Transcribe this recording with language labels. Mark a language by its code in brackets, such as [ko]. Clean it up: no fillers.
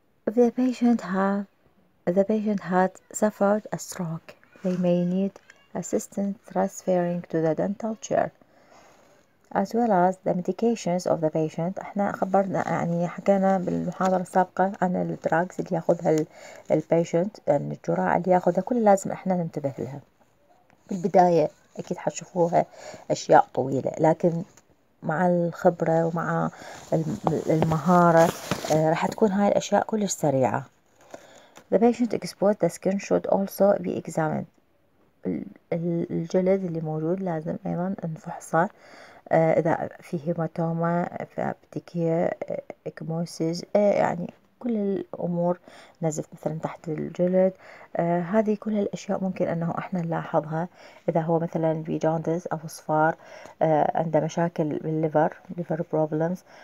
[en] If the patient had suffered a stroke, they may need assistance transferring to the dental chair, as well as the medications of the patient. [ar] احنا خبرنا يعني حكينا بالمحاضرة السابقة عن الدراجز اللي ياخذها ال patient، الجرعة اللي ياخذها كل لازم احنا ننتبه لها. بالبداية اكيد حتشوفوها اشياء طويلة، لكن مع الخبرة ومع المهارة راح تكون هاي الأشياء كلش سريعة. [en] The patient exposed the skin should also be examined. [ar] الجلد اللي موجود لازم أيضا نفحصه إذا فيه هيماتوما، فابتكية، إكموسيز، يعني كل الأمور نزف مثلا تحت الجلد. هذه كل الأشياء ممكن أنه إحنا نلاحظها إذا هو مثلا في جاندس أو صفار، عنده مشاكل بالليفر، ليفر بروبلمز.